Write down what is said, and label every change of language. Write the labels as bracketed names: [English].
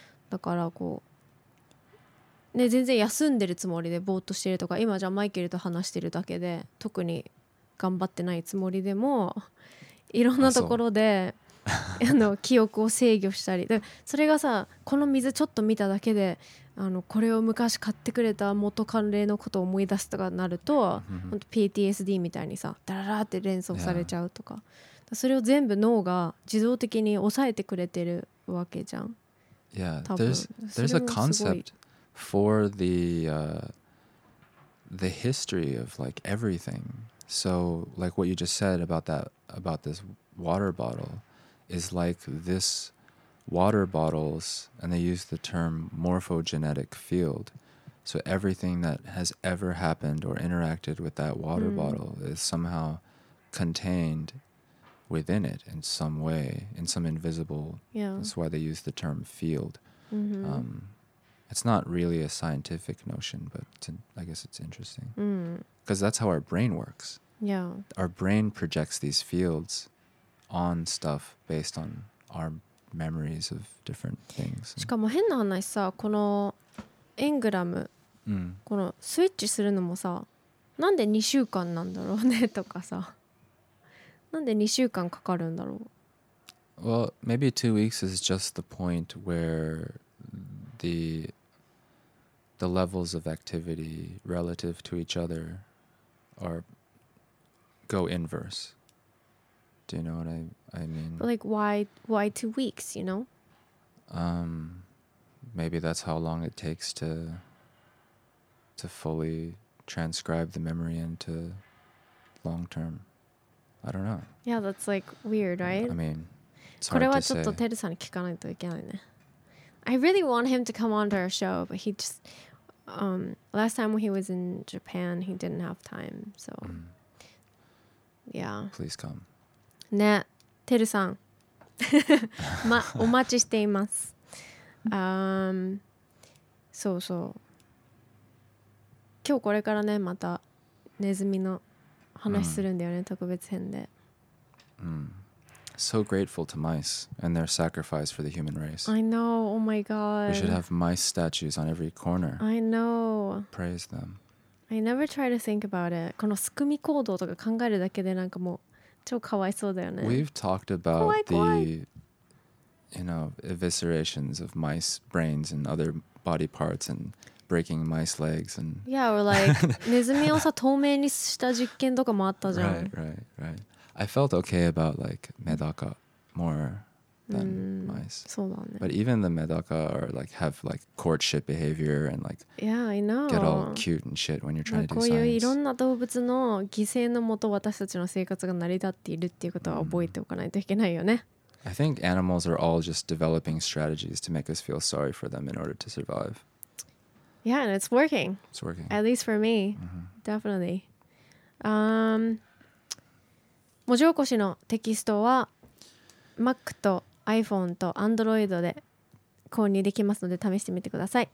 [Japanese] だからこうね、全然休んでるつもりでぼーっとしてるとか、今じゃマイケルと話してるだけで特に頑張ってないつもりでも、いろんなところで記憶を制御したり、でそれがさ、この水ちょっと見ただけであのこれを昔買ってくれた元カレのことを思い出すとかなると、 [English] mm-hmm. [Japanese] 本当 PTSD みたいにさダララって連想されちゃうとか、 [English] yeah. [Japanese] それを全部脳が自動的に抑えてくれてるわけじゃん。 [English] Yeah, there's a concept for the history of like everything. So like what you just said about that, about this water bottle is like this water bottles, and they use the term morphogenetic field. So everything that has ever happened or interacted with that water bottle is somehow contained within it in some way, in some invisible. Yeah. That's why they use the term field. Mm-hmm. It's not really a scientific notion, but I guess it's interesting. Because that's how our brain works. Yeah. Our brain projects these fields on stuff based on our memories of different things. [Japanese] しかも変な話さ、このエングラム、このスイッチするのもさ、なんで2週間なんだろうねとかさ、なんで2週間かかるんだろう。 [English] Well, maybe 2 weeks is just the point where the levels of activity relative to each other are go inverse. Do you know what I mean? Like why 2 weeks, you know? Maybe that's how long it takes to fully transcribe the memory into long term. I don't know. Yeah, that's like weird, right? I mean, it's hard to say. [Japanese] これはちょっとテルさんに聞かないといけないね。 [English] I really want him to come onto our show, but he just, last time when he was in Japan, he didn't have time, so, yeah. Please come. [Japanese] ね、てるさん。ま、お待ちしています。そうそう。今日これからね、またネズミの話するんだよね、特別編で。 [English] So grateful to mice and their sacrifice for the human race. I know, oh my god. We should have mice statues on every corner. I know. Praise them. I never try to think about it. [Japanese] このすくみ行動とか考えるだけでなんかもう超かわいそうだよね。 [English] We've talked about the, you know, eviscerations of mice brains and other body parts and breaking mice legs and... Yeah, or like, [Japanese] ネズミをさ透明にした実験とかもあったじゃん。 [English] Right. I felt okay about like medaka more than mice. [Japanese] そうだね。 [English] But even the medaka are like have like courtship behavior and like yeah, I know. Get all cute and shit when you're trying to do science. [Japanese] こういういろんな動物の犠牲のもと私たちの生活が成り立っているっていうことは覚えておかないといけないよね。 [English] I think animals are all just developing strategies to make us feel sorry for them in order to survive. Yeah, and it's working. It's working. At least for me. Definitely. [Japanese] 文字起こしのテキストは Mac と iPhone と Android で購入できますので試してみてください。